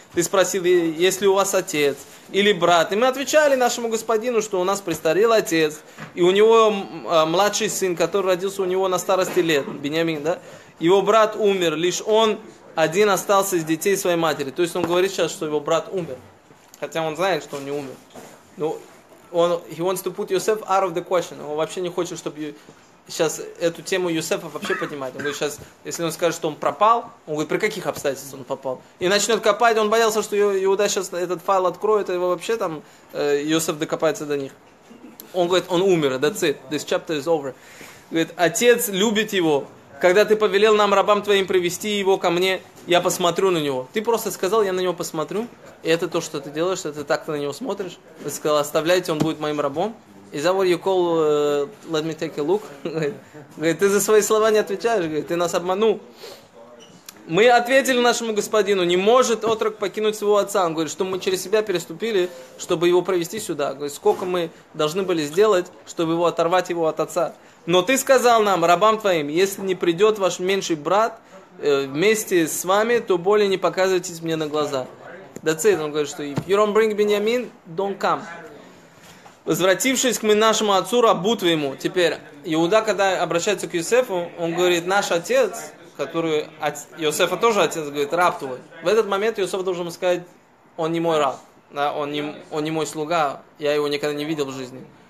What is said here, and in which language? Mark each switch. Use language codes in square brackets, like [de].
[ru] Ты спросил, есть ли у вас отец или брат. И мы отвечали нашему господину, что у нас престарел отец. И у него младший сын, который родился у него на старости лет, Бениамин, да? Его брат умер, лишь он один остался из детей своей матери. То есть он говорит сейчас, что его брат умер. Хотя он знает, что он не умер. Но он, [en] he wants to put Yosef out of the question. [ru] Он вообще не хочет, чтобы сейчас эту тему Йосефа вообще поднимать. Он говорит, сейчас, если он скажет, что он пропал, он говорит, при каких обстоятельствах он попал? И начнет копать, он боялся, что Иуда сейчас этот файл откроет, и его вообще там Йосеф докопается до них. Он говорит, он умер, [en] that's it, this chapter is over. [ru] Говорит, отец любит его. Когда ты повелел нам, рабам твоим, привести его ко мне, я посмотрю на него. Ты просто сказал, я на него посмотрю. И это то, что ты делаешь, это так ты на него смотришь. Ты сказал, оставляйте, он будет моим рабом. [en] Is that what you call, let me take a look? [ru] Говорит, ты за свои слова не отвечаешь, говорит, ты нас обманул. Мы ответили нашему господину, не может отрок покинуть своего отца. Он говорит, что мы через себя переступили, чтобы его привести сюда. Говорит, сколько мы должны были сделать, чтобы его оторвать его от отца. Но ты сказал нам, рабам твоим, если не придет ваш меньший брат вместе с вами, то более не показывайтесь мне на глаза. [en] That's it. [ru] Он говорит, что [en] if you don't bring Benjamin, don't come. [ru] Возвратившись к мы нашему отцу, рабу твоему. Теперь, Иуда, когда обращается к Йосефу, он говорит, наш отец, который, Йосефа тоже отец, говорит, раб твой. В этот момент Йосеф должен сказать, он не мой раб, да, он не мой слуга, я его никогда не видел в жизни.